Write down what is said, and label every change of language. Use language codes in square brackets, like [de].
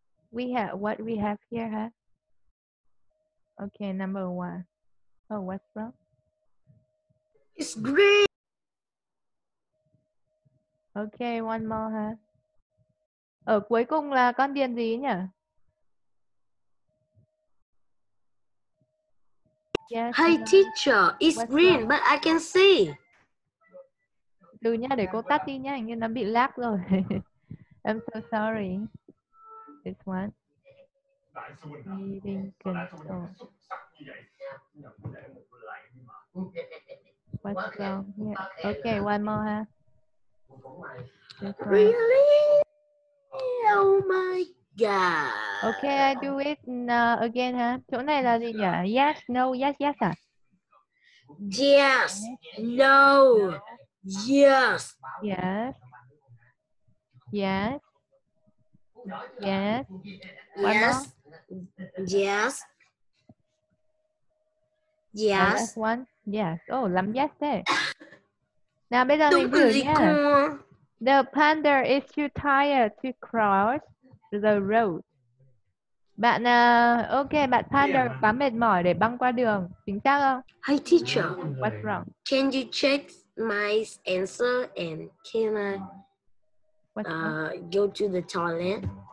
[en] We have, what we have here, huh? Ok, number one. Oh, what's wrong? It's green. Ok, one more, huh? [vi] Ở cuối cùng là con điền gì nhỉ? [en] Yes, hey teacher, it's what's green, wrong? But I can see. [vi] Từ nha, để cô tắt đi nha, hình như nó bị lag rồi. [en] I'm so sorry. This one. Reading control. What's wrong here? Okay, one more, huh? Really? Oh my god. Okay, I do it again, huh? [vi] Chỗ này là gì nhỉ? [en] Yes, no, yes, yes, huh? Yes, no. Yes. Yes. Yes. Yes. Yes. Yes. Yes. One. Yes. Oh, [vi] làm yes đấy. Nào bây giờ mình thử nhé. [en] The panda is too tired to cross the road. [vi] Bạn ok, bạn panda quá mệt mỏi để băng qua đường. Chính xác không? [en] Hi teacher. What's wrong? Can you check my answer and can I go to the toilet?